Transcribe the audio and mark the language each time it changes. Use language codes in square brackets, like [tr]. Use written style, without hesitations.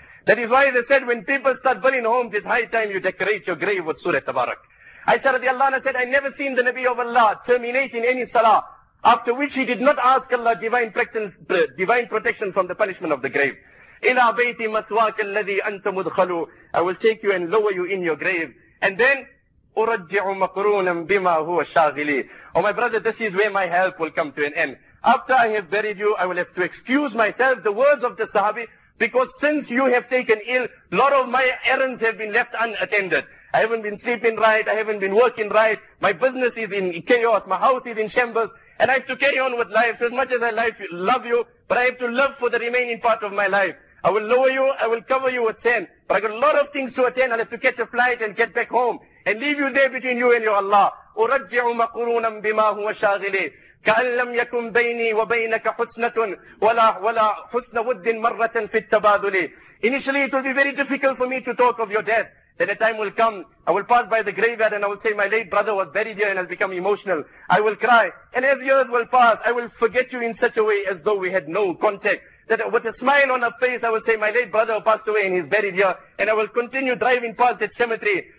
[en] That is why they said, when people start burning homes, it's high time you decorate your grave with Surah Tabarak. Aisha radiallahu anha said, I never seen the Nabi of Allah terminate in any salah, after which he did not ask Allah divine protection from the punishment of the grave. [ar] إِلَى بَيْتِ مَثْوَاكَ الَّذِي أَنْتَ مُدْخَلُ. [en] I will take you and lower you in your grave. And then, [ar] أُرَجِّعُ مَقْرُونًا بِمَا هُوَ الشَّاغِلِ. [en] Oh my brother, this is where my help will come to an end. After I have buried you, I will have to excuse myself, the words of the sahabi, because since you have taken ill, lot of my errands have been left unattended. I haven't been sleeping right, I haven't been working right, my business is in chaos, my house is in shambles, and I have to carry on with life. So as much as I love you, but I have to love for the remaining part of my life. I will lower you, I will cover you with sand, but I got a lot of things to attend. I'll have to catch a flight and get back home, and leave you there between you and your Allah. [ar] أُرَجِّعُ مَقُرُونًا بِمَا هُوَ شَاغِلِي. كأن لم يكن بيني وبينك حسنة ولا حسن ود مرة في التبادل. [en] Initially it will be very difficult for me to talk of your death. Then a time will come, I will pass by the graveyard and I will say, my late brother was buried here, and I'll become emotional. I will cry, and as years will pass, I will forget you in such a way as though we had no contact. That with a smile on her face, I will say, my late brother passed away and he's buried here, and I will continue driving past that cemetery.